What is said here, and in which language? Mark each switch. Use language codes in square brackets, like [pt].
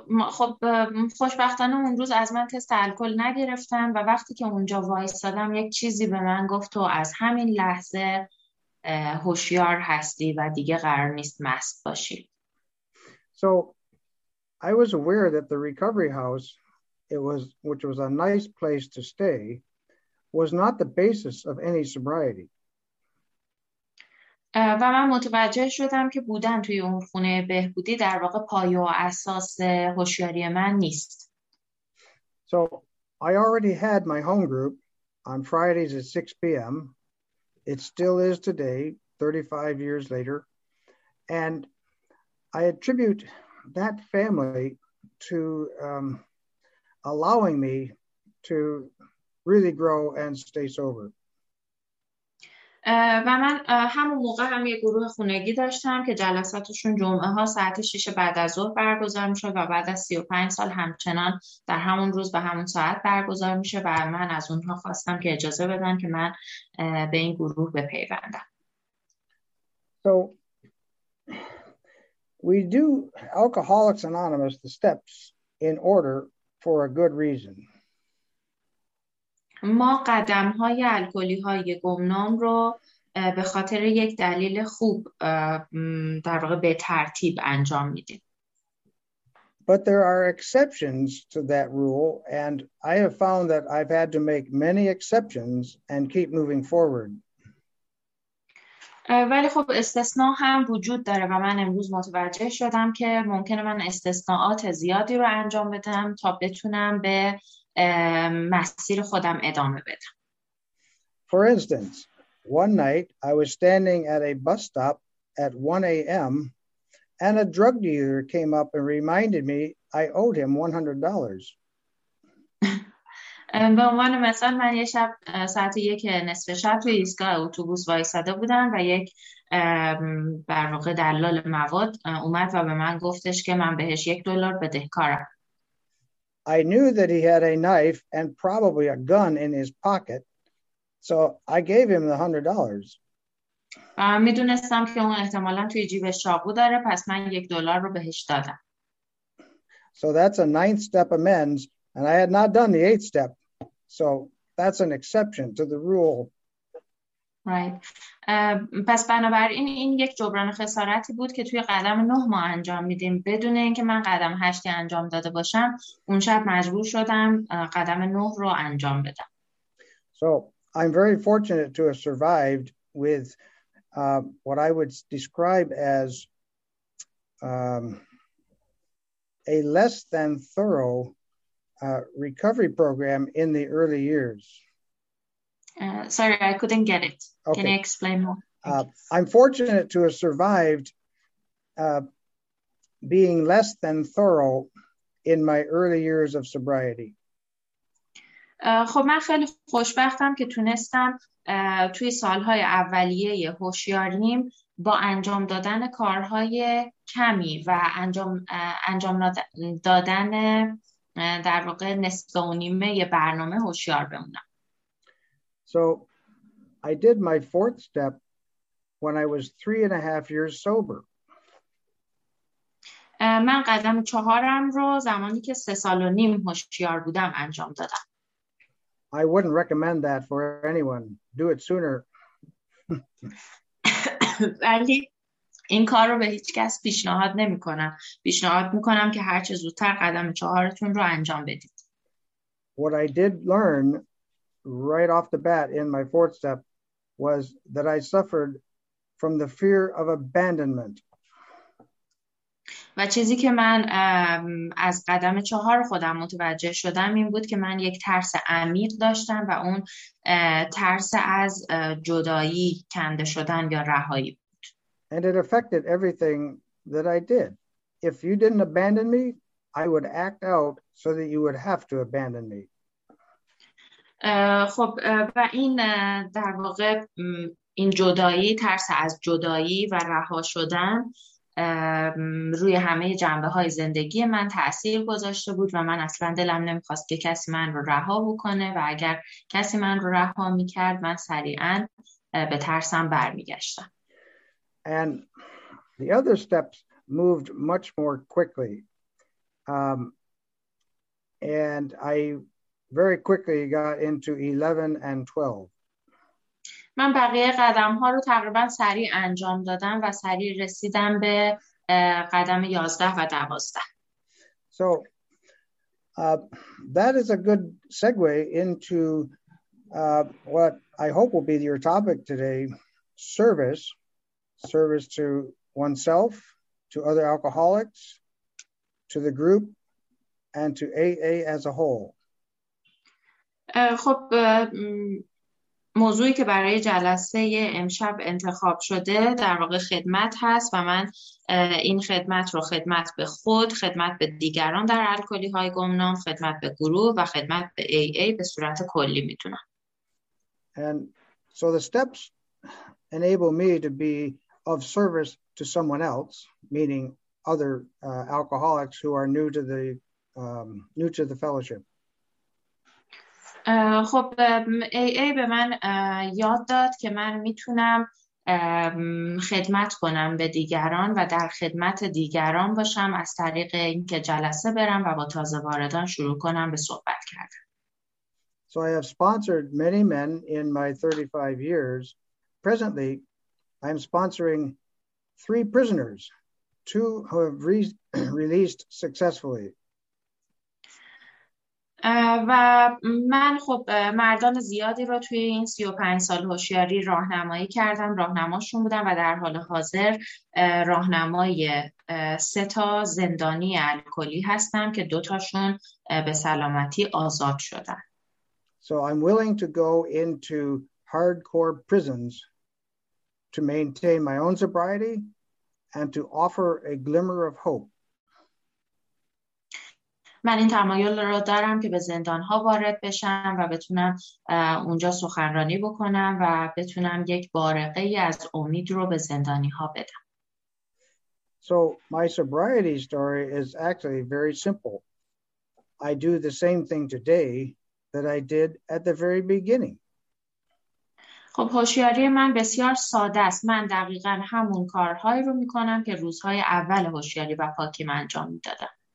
[fa] خب خوشبختانه اون روز از من تست الکل نگرفتن و وقتی که اونجا وایستادم یک چیزی به من گفت تو از همین لحظه هوشیار هستی و دیگه قرار نیست مست باشی. [en] So I was aware that the recovery house, which was a nice place to stay, was not the basis of any sobriety. [fa] و من متوجه شدم که بودن توی اون خونه بهبودی در واقع پایه و اساس هوشیاری من نیست. [en] So I already had my home group on Fridays at 6 p.m. It still is today, 35 years later. And I attribute that family to allowing me to really grow and stay sober. [fa] و من همون موقع هم یه گروه خونگی داشتم که جلساتشون جمعه ها ساعت 6 بعد از ظهر برگزار میشه و بعد از 35 سال همچنان در همون روز به همون ساعت برگزار میشه و من از اونها خواستم که اجازه بدن که من به این گروه بپیوندم. [en] So we do Alcoholics Anonymous, the steps in order for a good reason. [fa] ما قدم های الکلی های گمنام رو به خاطر یک دلیل خوب در واقع به ترتیب انجام میدیم. [en] But there are exceptions to that rule, and I have found that I've had to make many exceptions and keep moving forward. [fa] ولی خب استثناء هم وجود داره و من امروز متوجه شدم که ممکنه من استثناءات زیادی رو انجام بدم تا بتونم به مسیر خودم ادامه بدم. [en] For instance, one night I was standing at a bus stop at 1 a.m. and a drug dealer came up and reminded me I owed him $100. [fa] به عنوان مثال من یه شب ساعت یک نصف شب توی ایستگاه اتوبوس وایساده بودم و یک بر واقع دلال مواد اومد و به من گفتش که من بهش $1 بدهکارم. [en] I knew that he had a knife and probably a gun in his pocket, so I gave him the $100. [fa] می دونستم که اون احتمالاً توی جیبش چاقو داره پس من $1 رو بهش دادم. [en] So that's a ninth step amends, and I had not done the eighth step. So that's an exception to the rule. Right. [fa] پس بنابراین این یک جبران خسارتی بود که توی قدم 9 ما انجام میدیم بدون اینکه من قدم 8 انجام داده باشم اون شب مجبور شدم قدم 9 رو انجام بدم. [en] So I'm very fortunate to have survived with what I would describe as a less than thorough recovery program in the early years. Sorry, I couldn't get it. Okay. Can you explain more? I'm fortunate to have survived being less than thorough in my early years of sobriety. [fa] خب من خیلی خوشبختم که تونستم توی سالهای اولیه هوشیاریم با انجام دادن کارهای کمی و انجام دادن در واقع نصف و نیمه برنامه هوشیار بمونم. [en] So I did my fourth step when I was 3.5 years sober. [fa] من قدم چهارم رو زمانی که 3.5 سال هوشیار بودم انجام دادم. [en] I wouldn't recommend that for anyone. Do it sooner. [fa] ولی این کار رو به هیچ کس پیشنهاد نمی کنم. پیشنهاد می کنم که هرچه زودتر قدم چهارتون رو انجام بدید. [en] What I did learn right off the bat in my fourth step was that I suffered from the fear of abandonment. [fa] و چیزی که من از قدم چهار خودم متوجه شدم این بود که من یک ترس عمیق داشتم و اون ترس از جدایی کنده شدن یا رهایی بود. [en] And it affected everything that I did. If you didn't abandon me, I would act out so that you would have to abandon me. [fa] خب و این در واقع این جدایی ترس از جدایی و رها شدن روی همه جنبه های زندگی من تأثیر گذاشته بود و من اصلا دلم نمیخواست که کسی من رو رها بکنه و اگر کسی من رو رها میکرد من سریعا به ترسم برمیگشتم. [en] And the other steps moved much more quickly. And I very quickly got into 11 and 12. [fa] من بقیه قدم ها رو تقریبا سریع انجام دادم و سریع رسیدم به قدم 11 و 12. [en] So that is a good segue into what I hope will be your topic today, service to oneself, to other alcoholics, to the group, and to AA as a whole. [fa] خب موضوعی که برای جلسه امشب انتخاب شده در واقع خدمت هست و من این خدمت رو خدمت به خود، خدمت به دیگران در الکلی های گمنام، خدمت به گروه و خدمت به AA به صورت کلی میتونم. [en] And so the steps enable me to be of service to someone else, meaning other alcoholics who are new to the fellowship. [fa] خب AA به من یاد داد که من میتونم خدمت کنم به دیگران و در خدمت دیگران باشم از طریق اینکه جلسه برم و با تازه واردان شروع کنم به صحبت کردن. [en] So I have sponsored many men in my 35 years. Presently, I'm sponsoring three prisoners, two who have released successfully. [fa] و من خب مردان زیادی رو توی این 35 سال هوشیاری راهنمایی کردم، راهنماشون بودم و در حال حاضر راهنمای سه تا زندانی الکلی هستم که دوتاشون به سلامتی آزاد شدن. [en] So I'm willing to go into hardcore prisons to maintain my own sobriety and to offer a glimmer of hope. [fa] من این تمایل رو دارم که به زندان ها وارد بشم و بتونم اونجا سخنرانی بکنم و بتونم یک بارقه ای از امید رو به زندانی ها بدم. [en] So my sobriety story is actually very simple. I do the same thing today that I did at the very beginning. [fa] خب هوشیاری من بسیار ساده است. من دقیقا همون کارهایی رو میکنم که روزهای اول هوشیاری و پاکی من انجام میدادم.